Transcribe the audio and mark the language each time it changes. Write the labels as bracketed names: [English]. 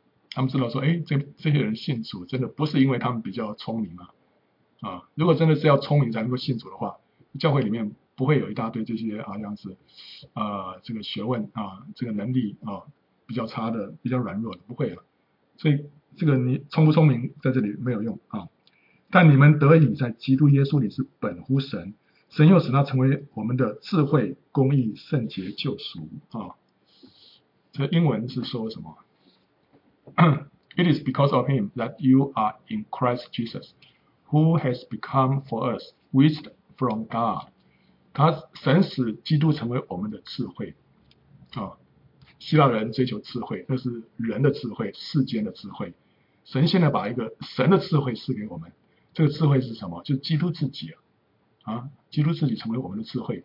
[Chinese] 他们知道说，哎，这些人信主真的不是因为他们比较聪明啊，如果真的是要聪明才能够信主的话，教会里面不会有一大堆这些好像是，这个学问啊，这个能力啊比较差的、比较软弱的，不会啊，所以。这个你聪不聪明在这里没有用啊，但你们得以在基督耶稣里是本乎神，神又使他成为我们的智慧、公义、圣洁、救赎啊。这英文是说什么？ [English] It is because of him that you are in Christ Jesus, who has become for us wisdom from God. [Chinese] 他神使基督成为我们的智慧啊。希腊人追求智慧，那是人的智慧，世间的智慧。神现在把一个神的智慧赐给我们，这个智慧是什么？就是基督自己啊，基督自己成为我们的智慧。